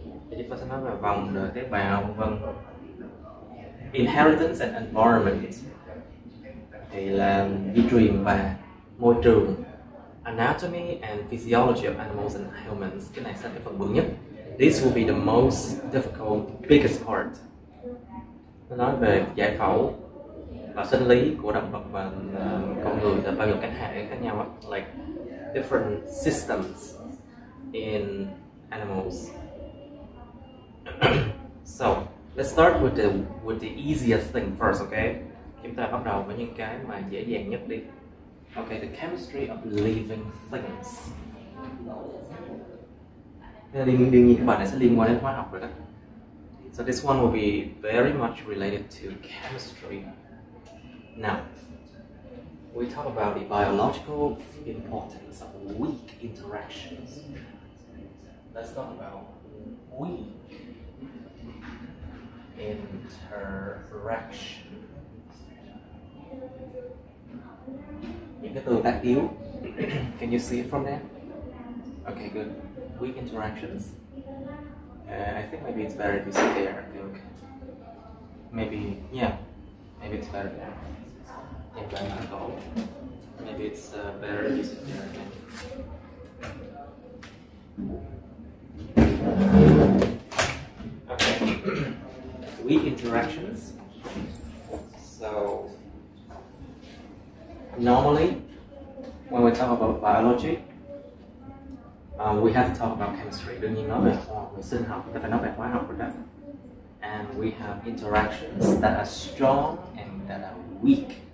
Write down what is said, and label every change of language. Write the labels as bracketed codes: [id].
[vi] Chúng ta sẽ nói về vòng đời tế bào, vân. [en] Inheritance and environment. [vi] Thì là di truyền và môi trường. [en] Anatomy and physiology of animals and humans. [vi] Cái này sẽ là cái phần bự nhất. [en] This will be the most difficult, biggest part. [vi] Nó nói về giải phẩu và sinh lý của động vật và con người, là bao nhiêu các hệ khác nhau á, [en] like different systems in animals. So let's start with the easiest thing first, okay? [vi] Chúng ta bắt đầu với những cái mà dễ dàng nhất đi. [en] Okay, the chemistry of living things. [vi] Đương nhiên các bạn này sẽ liên quan đến hóa học rồi đó. [en] So this one will be very much related to chemistry. Now, we talk about the biological importance of weak interactions. Let's talk about weak interactions. [vi] Những cái từ tác yếu. [en] Can you see it from there? Okay, good. Weak interactions. I think maybe it's better if you see there. Okay. Maybe, yeah. Maybe it's better there. Maybe it's better to use it here. Okay. Weak interactions. So, normally, when we talk about biology, we have to talk about chemistry. [vi] Đương nhiên nói về sinh học, chúng ta phải nói về hóa học rồi đó. [en] And we have interactions that are strong and that are weak.